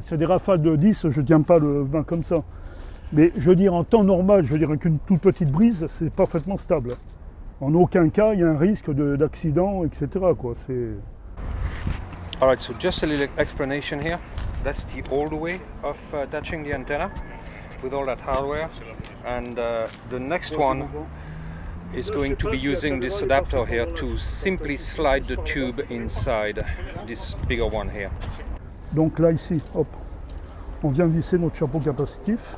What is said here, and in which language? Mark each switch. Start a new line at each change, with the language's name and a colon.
French: C'est des rafales de 10, je tiens pas le vent comme ça. Mais je veux dire, en temps normal, je veux dire qu'une toute petite brise, c'est parfaitement stable. En aucun cas, il y a un risque d'accident, etc. quoi. C'est.
English: All right, so just a little explanation here. That's the old way of attaching the antenna with all that hardware. And the next one is going to be using this adapter here to simply slide the tube inside this bigger one here.
French: Donc là, ici, hop, on vient visser notre chapeau capacitif.